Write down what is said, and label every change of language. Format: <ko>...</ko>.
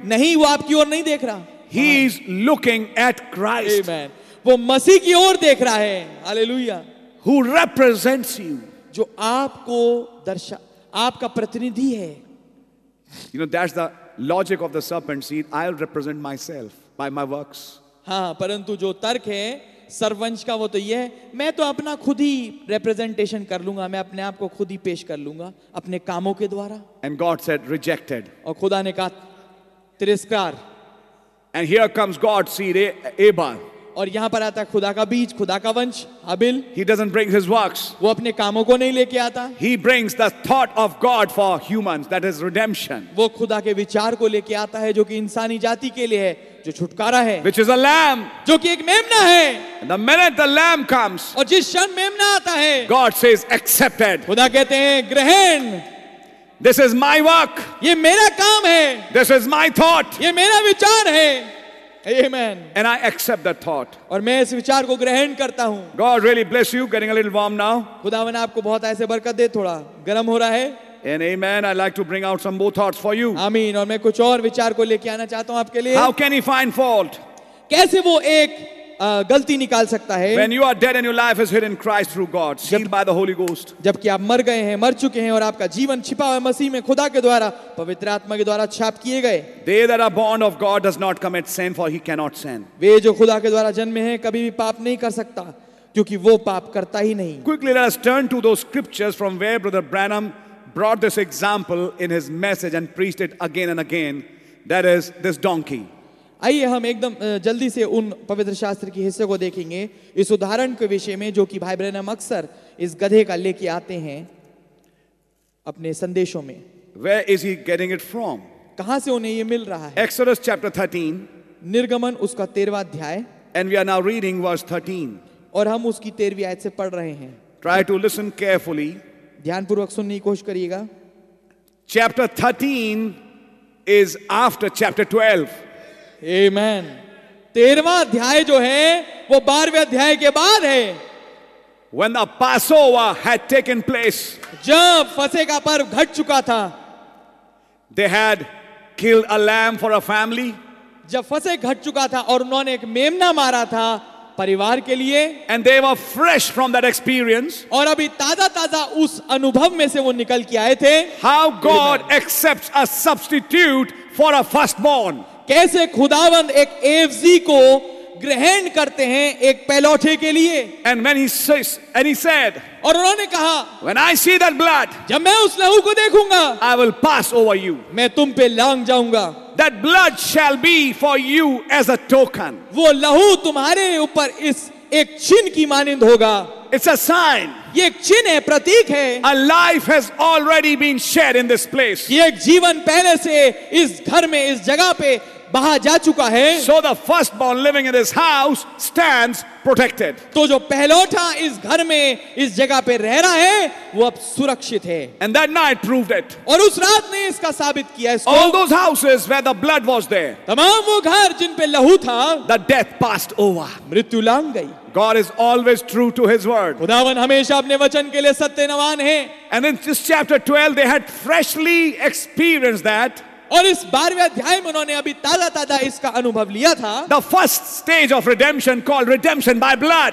<hi>नहीं वो आपकी ओर नहीं देख रहा.</hi> <en>He is looking at Christ.</en> <hi>Amen. वो मसीह की ओर देख रहा है. Hallelujah.</hi> <en>Who represents you?</en> <hi>जो आपको दर्शा आपका प्रतिनिधि है.</hi> <en>You know that's the logic of the serpent seed. I'll represent myself by my works.</en> <hi>हाँ, परंतु जो तर्क है सर्वंश का वो तो ये है मैं तो अपना खुद ही रिप्रेजेंटेशन कर लूंगा. मैं अपने आप को खुद ही पेश कर लूंगा अपने कामों के द्वारा.</hi> <en>And God said, rejected.</en> <hi>और खुदा ने कहा तिरस्कार.</hi> <en>And here comes God's seed, Abel.</en> <hi>और यहाँ पर आता है खुदा का बीज खुदा का वंश हाबिल.</hi> <en>He doesn't bring his works.</en> <hi>वो अपने कामों को नहीं लेके आता.</hi> <en>He brings the thought of God for humans, that is redemption.</en> <hi>वो खुदा के विचार को लेके आता है जो कि इंसानी जाति के लिए है जो छुटकारा है,</hi> <en>which is a lamb,</en> <hi>जो कि एक मेमना है,</hi> <en>the minute the lamb comes,</en> <hi>और जिस क्षण मेमना आता है,</hi> <en>God says accepted,</en> <hi>खुदा कहते हैं ग्रहण,</hi> <en>this is my work,</en> <hi>ये मेरा काम है,</hi> <en>this is my thought,</en> <hi>ये मेरा विचार है. Amen.</hi> <en>And I accept that thought.</en> <hi>और मैं इस विचार को ग्रहण करता हूँ.</hi> <en>God really bless you. Getting a little warm now.</en> <hi>खुदावन आपको बहुत ऐसे बरकत दे, थोड़ा गर्म हो रहा है.</hi> <en>And amen. I'd like to bring out some more thoughts for you.</en> <hi>आमीन. और मैं कुछ और विचार को लेके आना चाहता हूँ आपके लिए.</hi> <en>How can he find fault?</en> <hi>कैसे वो एक गलती निकाल सकता है?</hi> <en>When you are dead and your life is hidden in Christ through God, sealed by the Holy Ghost.</en> <hi>जबकि आप मर गए हैं, मर चुके हैं और आपका जीवन छिपा हुआ है मसीह में, खुदा के द्वारा, पवित्र आत्मा के द्वारा छाप किए गए.</hi> <en>They that are born of God does not commit sin, for he cannot sin.</en> <hi>वे जो खुदा के द्वारा जन्मे हैं कभी भी पाप नहीं कर सकता, क्योंकि वो पाप करता ही नहीं.</hi> <en>Quickly let us turn to those scriptures from where Brother Branham brought this example in his message and preached it again and again. That is this donkey.</en> <hi>आइए हम एकदम जल्दी से उन पवित्र शास्त्र के हिस्से को देखेंगे इस उदाहरण के विषय में, जो कि भाई ब्रैनम अक्सर इस गधे का लेके आते हैं अपने संदेशों में.</hi> <en>Where is he getting it from?</en> <hi>कहां से उन्हें ये मिल रहा है?</hi> <en>Exodus chapter 13,</en> <hi>निर्गमन उसका 13वां अध्याय,</hi> <en>and we are now reading verse 13,</en> <hi>और हम उसकी 13वीं आयत से पढ़ रहे हैं.</hi> <en>Try to listen carefully.</en> <hi>ध्यानपूर्वक सुनने की कोशिश करिएगा.</hi> <en>Chapter 13 is after chapter 12. Amen.</en> <hi>13वां अध्याय जो है वो 12वें अध्याय के बाद है.</hi> <en>When the Passover had taken place,</en> <hi>जब फसे का पर्व घट चुका था,</hi> <en>they had killed a lamb for a family,</en> <hi>जब फसे घट चुका था और उन्होंने एक मेमना मारा था परिवार के लिए,</hi> <en>and they were fresh from that experience,</en> <hi>और अभी ताजा ताजा उस अनुभव में से वो निकल के आए थे.</hi> <en>How God accepts a substitute for a firstborn.</en> <hi>कैसे खुदावंद एक एफजी को ग्रहण करते हैं एक पैलौठे के लिए.</hi> <en>And when he says, and he said,</en> <hi>और उन्होंने कहा,</hi> <en>when I see that blood,</en> <hi>जब मैं उस लहू को देखूंगा,</hi> <en>I will pass over you,</en> <hi>मैं तुम पे लांग जाऊंगा.</hi> <en>That blood shall be for you as a token,</en> <hi>वो लहू तुम्हारे ऊपर इस एक चिन्ह की मानिंद होगा.</hi> <en>It's a sign.</en> <hi>ये एक चिन्ह है, प्रतीक है.</hi> <en>A life has already been shed in this place.</en> <hi>ये एक जीवन पहले से इस घर में, इस जगह पे बहा जा चुका है.</hi> <en>So the firstborn living in this house stands protected.</en> <hi>तो जो पहलौठा इस घर में, इस जगह पे रह रहा है, वो अब सुरक्षित है.</hi> <en>And that night proved it.</en> <hi>और उस रात ने इसका साबित किया.</hi> <en>All those houses where the blood was there,</en> <hi>तमाम वो घर जिन पे लहू था,</hi> <en>the death passed over,</en> <hi>मृत्यु लांग गई.</hi> <en>God is always true to his word.</en> <hi>खुदावन हमेशा अपने वचन के लिए सत्यनवान है.</hi> <en>And in this chapter 12, they had freshly experienced that.</en> <hi>और इस 12वें अध्याय में उन्होंने अभी ताजा ताजा इसका अनुभव लिया था.</hi> <en>The first stage of redemption called redemption by blood.</en>